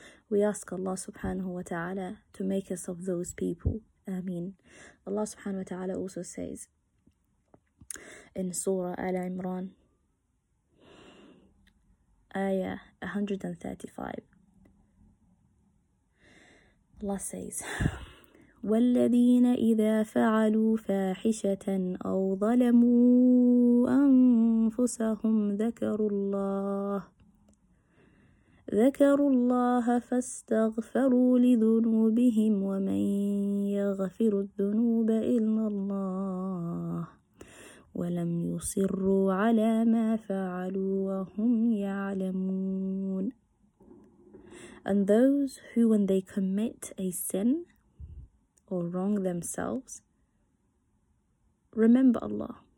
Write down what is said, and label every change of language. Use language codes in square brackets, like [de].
[en] We ask Allah subhanahu wa ta'ala to make us of those people. Ameen. Allah subhanahu wa ta'ala also says in Surah Al-Imran, Ayah 135. Allah says, [ar] وَالَّذِينَ إِذَا فَعَلُوا فَاحِشَةً أَوْ ظَلَمُوا أَنفُسَهُمْ ذَكَرُوا اللَّهَ ذكروا الله فاستغفروا لذنوبهم ومن يغفر الذنوب إلا الله ولم يصروا على ما فعلوا وهم يعلمون. [en] And those who, when they commit a sin or wrong themselves, remember Allah.